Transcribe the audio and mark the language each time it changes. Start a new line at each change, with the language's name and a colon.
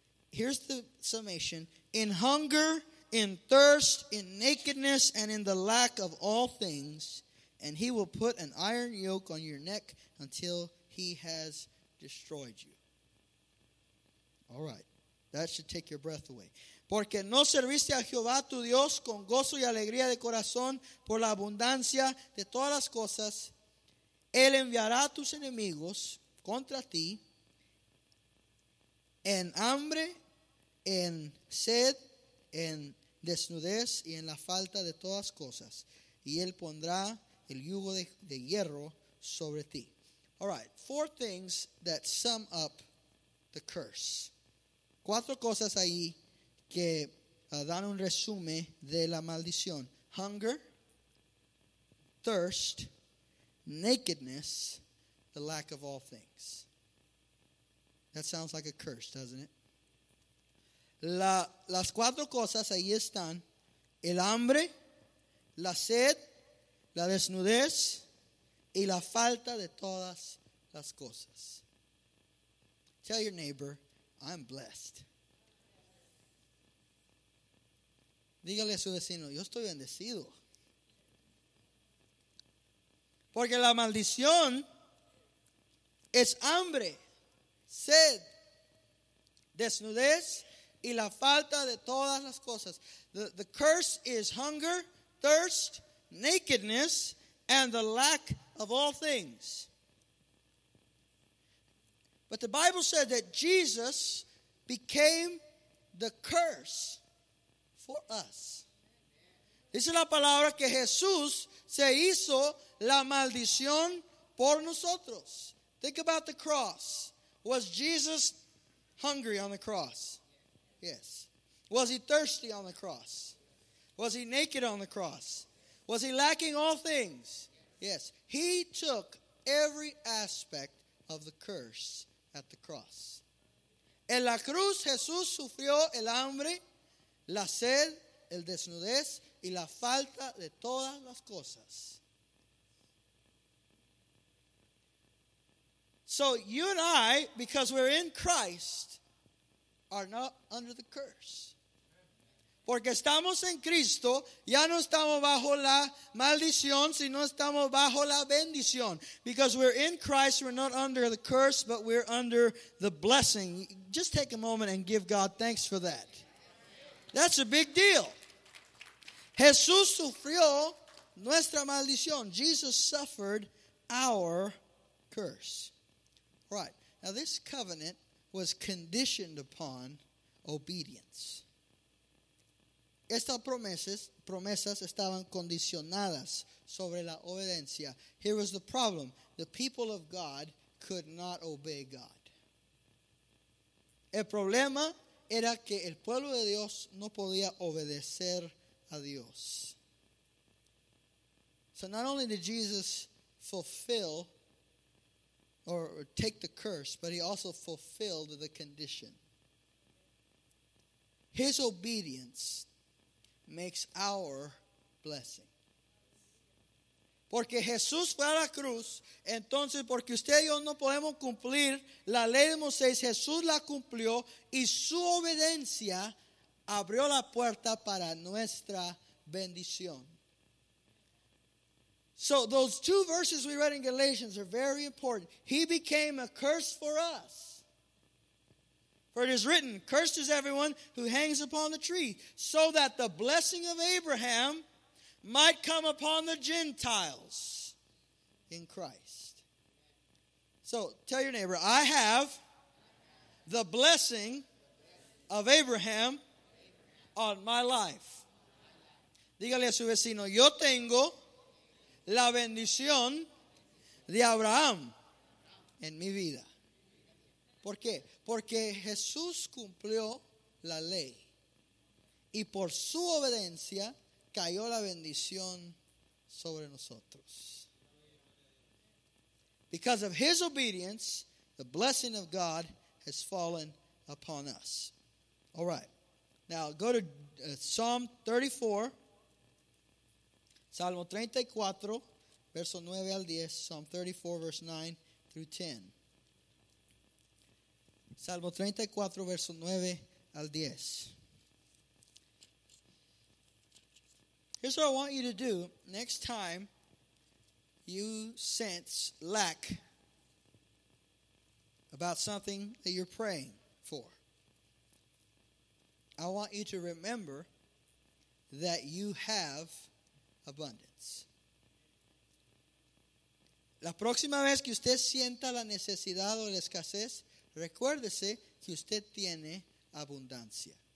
English: Here's the summation. In hunger, in thirst, in nakedness, and in the lack of all things. And he will put an iron yoke on your neck until he has destroyed you. All right, that should take your breath away.
Spanish: Porque no serviste a Jehová tu Dios con gozo y alegría de corazón por la abundancia de todas las cosas. Él enviará a tus enemigos contra ti en hambre, en sed, en desnudez y en la falta de todas cosas. Y él pondrá el yugo de hierro sobre ti.
English: All right, four things that sum up the curse.
Spanish: Cuatro cosas ahí que dan un resumen de la maldición.
English: Hunger, thirst, nakedness, the lack of all things. That sounds like a curse, doesn't it?
Spanish: Las cuatro cosas ahí están. El hambre, la sed, la desnudez y la falta de todas las cosas.
English: Tell your neighbor, I'm blessed.
Spanish: Dígale a su vecino, yo estoy bendecido. Porque la maldición es hambre, sed, desnudez y la falta de todas las cosas.
English: The curse is hunger, thirst, nakedness, and the lack of all things. But the Bible said that Jesus became the curse for us.
Spanish: Dice la palabra que Jesús se hizo la maldición por nosotros.
English: Think about the cross. Was Jesus hungry on the cross? Yes. Was he thirsty on the cross? Was he naked on the cross? Was he lacking all things? Yes. He took every aspect of the curse at the cross.
Spanish: En la cruz, Jesús sufrió el hambre, la sed, el desnudez y la falta de todas las cosas.
English: So you and I, because we're in Christ, are not under the curse.
Spanish: Porque estamos en Cristo, ya no estamos bajo la maldición, sino estamos bajo la bendición.
English: Because we're in Christ, we're not under the curse, but we're under the blessing. Just take a moment and give God thanks for that. That's a big deal.
Spanish: Jesús sufrió nuestra maldición.
English: Jesus suffered our curse. Right. Now this covenant was conditioned upon obedience.
Spanish: Estas promesas estaban condicionadas sobre la obediencia.
English: Here was the problem. The people of God could not obey God.
Spanish: El problema era que el pueblo de Dios no podía obedecer a Dios.
English: So not only did Jesus fulfill or take the curse, but he also fulfilled the condition. His obedience makes our blessing.
Spanish: Porque Jesús fue a la cruz, entonces porque usted y yo no podemos cumplir la ley de Moisés, Jesús la cumplió y su obediencia abrió la puerta para nuestra bendición.
English: So those two verses we read in Galatians are very important. He became a curse for us. For it is written, cursed is everyone who hangs upon the tree, so that the blessing of Abraham might come upon the Gentiles in Christ. So tell your neighbor, I have the blessing of Abraham on my life.
Spanish: Dígale a su vecino, yo tengo la bendición de Abraham en mi vida. ¿Por qué? Porque Jesús cumplió la ley. Y por su obediencia cayó la bendición sobre nosotros.
English: Because of his obedience, the blessing of God has fallen upon us. All right. Now go to Psalm 34.
Spanish: Salmo 34, verso 9 al 10.
English: Psalm 34, verse 9 through 10.
Spanish: Salmo 34, verso 9 al 10.
English: Here's what I want you to do next time you sense lack about something that you're praying for. I want you to remember that you have abundance.
Spanish: La próxima vez que usted sienta la necesidad o la escasez, recuérdese que usted tiene abundancia.